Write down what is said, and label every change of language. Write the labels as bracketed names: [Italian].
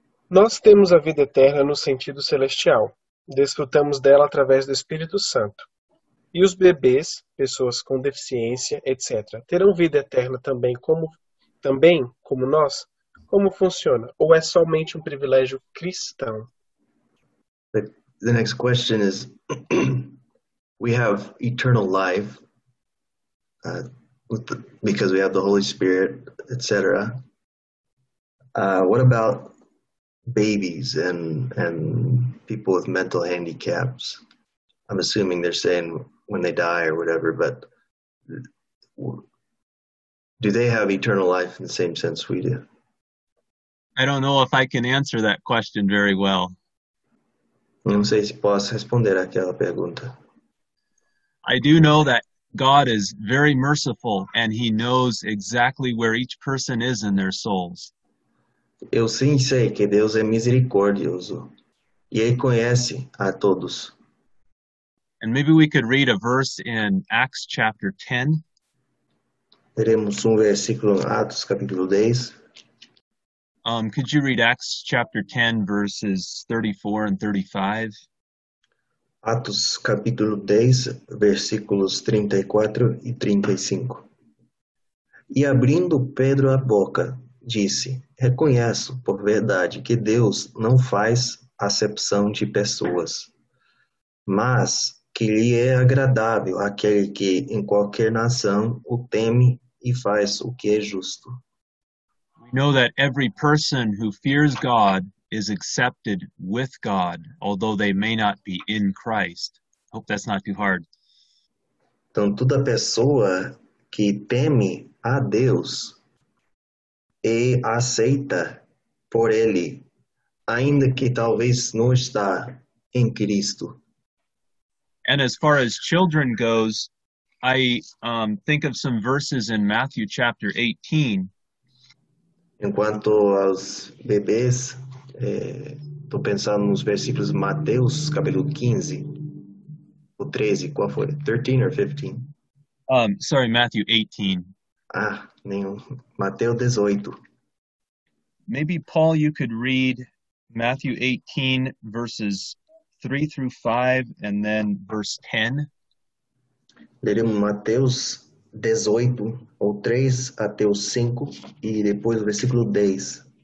[Portuguese] Nós temos a vida eterna no sentido celestial. Desfrutamos dela através do Espírito Santo. E os bebês, pessoas com deficiência, etc., terão vida eterna também como nós? Como funciona? Ou é somente um privilégio cristão? [English] The next question is, we have eternal life because we have the Holy Spirit, etc. What about babies and people with mental handicaps? I'm assuming they're saying when they die or whatever, but do they have eternal life in the same sense we do? I don't know if I can answer that question very well. [Portuguese] Não sei se posso responder àquela pergunta. [English] I do know that God is very merciful and he knows exactly where each person is in their souls. [Portuguese] Eu sim sei que Deus é misericordioso e ele conhece a todos. [English] And maybe we could read a verse in Acts chapter 10. [Portuguese] Teremos versículo em Atos capítulo 10. [English] Could you read Acts chapter 10, verses 34 and 35? [Portuguese] Atos capítulo 10, versículos 34 e 35. E abrindo Pedro a boca, disse: Reconheço por verdade que Deus não faz acepção de pessoas, mas que lhe é agradável aquele que em qualquer nação o teme e faz o que é justo. [English] Know that every person who fears God is accepted with God, although they may not be in Christ. Hope that's not too hard. [Portuguese] Então, toda pessoa que teme a Deus e aceita por Ele, ainda que talvez não está em Cristo. [English] And as far as children goes, I think of some verses in Matthew chapter 18. [Portuguese] Enquanto aos bebês, estou pensando nos versículos de Mateus, capítulo 15, o 13, qual foi? [English] 13 or 15? Sorry, Matthew 18. [Portuguese] Ah, nenhum. Mateus 18. [English] Maybe, Paul, you could read Matthew 18, verses 3 through 5, and then verse 10. [Portuguese] Leremos Mateus 18, ou 3 até o 5, e depois o versículo 10.